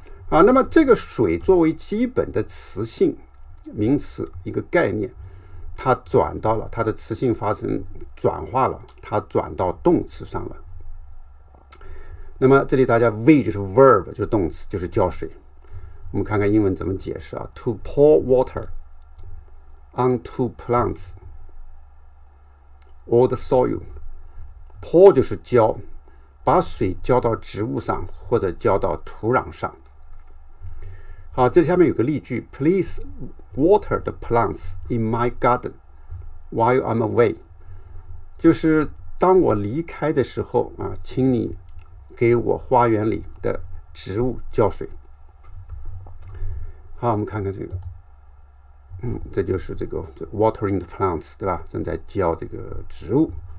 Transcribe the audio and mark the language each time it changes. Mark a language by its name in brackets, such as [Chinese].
[Chinese] 那么这个水作为基本的词性名词一个概念，它转到了它的词性发生转化了，它转到动词上了。那么这里大家 V 就是 verb， 就是动词，就是浇水。我们看看英文怎么解释 [English] To pour water onto plants or the soil。 [Chinese] Pour 就是浇，把水浇到植物上或者浇到土壤上。好，这下面有个例句 [English] ：Please water the plants in my garden while I'm away。 [Chinese] 就是当我离开的时候请你给我花园里的植物浇水。好，我们看看这个，这就是这 [English] watering the plants， [Chinese] 对吧？正在浇这个植物。